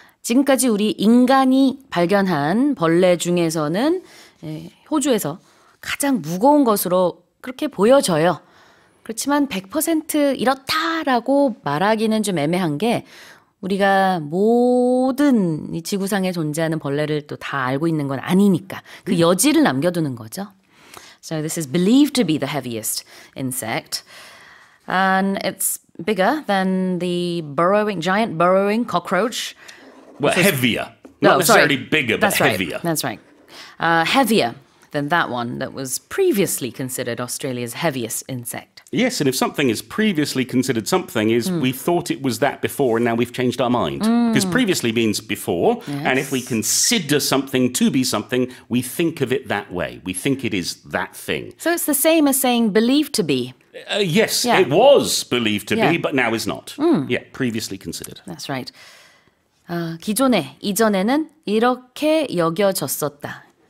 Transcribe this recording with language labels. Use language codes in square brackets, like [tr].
[ko] 지금까지 우리 인간이 발견한 벌레 중에서는 호주에서 가장 무거운 것으로 그렇게 보여져요. 그렇지만 100% 이렇다라고 말하기는 좀 애매한 게 우리가 모든 이 지구상에 존재하는 벌레를 또 다 알고 있는 건 아니니까 그 여지를 남겨두는 거죠. [en] So this is believed to be the heaviest insect. And it's bigger than the burrowing, giant burrowing cockroach. Well, heavier. Not necessarily bigger, but heavier. That's right. Heavier than that one that was previously considered Australia's heaviest insect. Yes, and if something is previously considered something is we thought it was that before and now we've changed our mind. Because previously means before, yes. And if we consider something to be something, we think of it that way. We think it is that thing. So it's the same as saying believed to be. Yes, yeah. It was believed to be, but now is not. Yeah, previously considered. That's right. [ko] 기존에, 이전에는 이렇게 여겨졌었다.